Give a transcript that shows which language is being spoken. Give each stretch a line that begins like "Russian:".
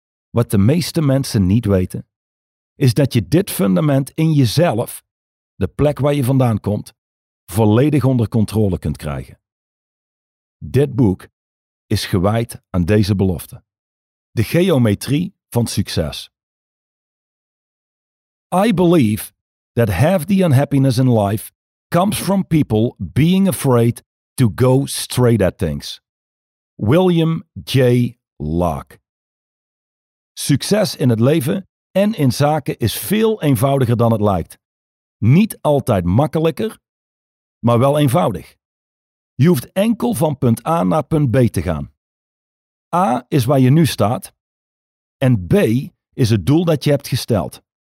Dutch: Wat de meeste mensen niet weten, is dat je dit fundament in jezelf, de plek waar je vandaan komt, volledig onder controle kunt krijgen. Dit boek is gewijd aan deze belofte. De geometrie van succes.
English: I believe that half the unhappiness in life comes from people being afraid to go straight at things. William J. Locke.
Dutch: Succes in het leven en in zaken is veel eenvoudiger dan het lijkt. Niet altijd makkelijker, maar wel eenvoudig. Je hoeft enkel van punt A naar punt B te gaan. A is waar je nu staat en B is het doel dat je hebt gesteld.